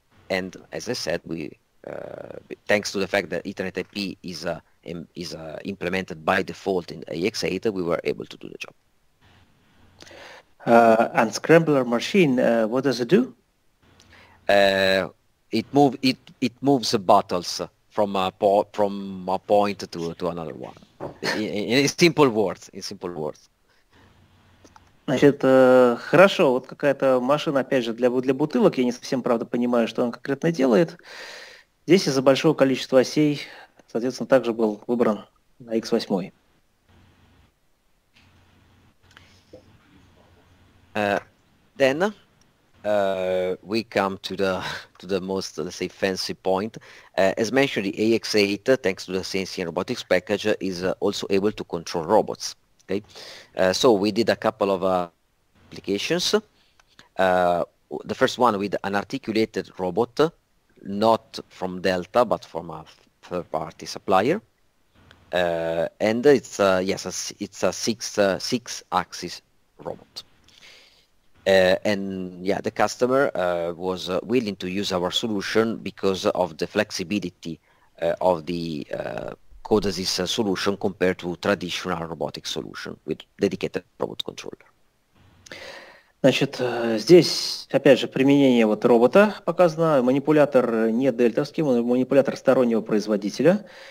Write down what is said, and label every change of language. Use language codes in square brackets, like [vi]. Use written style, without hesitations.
[en] And as I said, we thanks to the fact that Ethernet IP is implemented by default in AX8, we were able to do the job. And scrambler machine, what does it do? It moves the bottles from a point to another one. In simple words. [ru] Значит, хорошо, вот какая-то машина, опять же, для бутылок, я не совсем, правда, понимаю, что он конкретно делает. Здесь из-за большого количества осей, соответственно, также был выбран на X8. [en] Then we come to the most, let's say, fancy point. As mentioned, the AX8, thanks to the CNC and robotics package, is also able to control robots. Okay, so we did a couple of applications. The first one with an articulated robot, not from Delta, but from a third-party supplier. And it's a six-axis robot. And yeah, the customer was willing to use our solution because of the flexibility of the CODESYS solution compared to traditional robotic solution with dedicated robot controller. [ru] Значит, здесь, опять же, применение вот робота показано. Манипулятор не дельтовский, манипулятор стороннего производителя.